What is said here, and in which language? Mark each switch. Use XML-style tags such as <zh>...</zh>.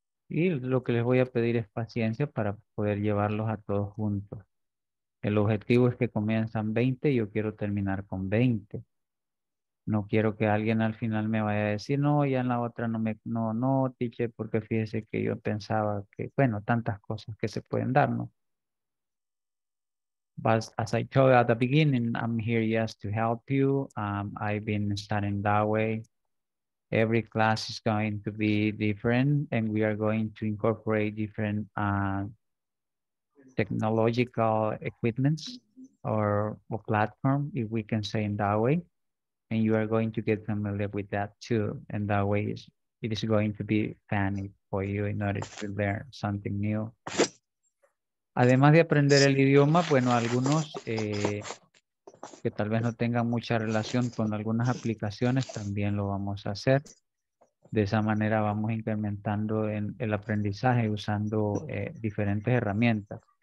<es>Y lo que les voy a pedir es paciencia para poder llevarlos a todos juntos. El objetivo es que comienzan 20 y yo quiero terminar con 20. No quiero que alguien al final me vaya a decir, no, ya en la otra no, tiche, porque fíjese que yo pensaba que, bueno, tantas cosas que se pueden dar, ¿no?</es> <en>But as I told at the beginning, I'm here just to help you. I've been studying that way. Every class is going to be different and we are going to incorporate different technological equipments or platform, if we can say in that way. And you are going to get familiar with that too. And that way it is going to be funny for you in order to learn something new.</en> <es>Además de aprender el idioma, bueno, algunos que tal vez no tengan mucha relación con algunas aplicaciones, también lo vamos a hacer. De esa manera vamos incrementando en el aprendizaje usando diferentes herramientas.</es>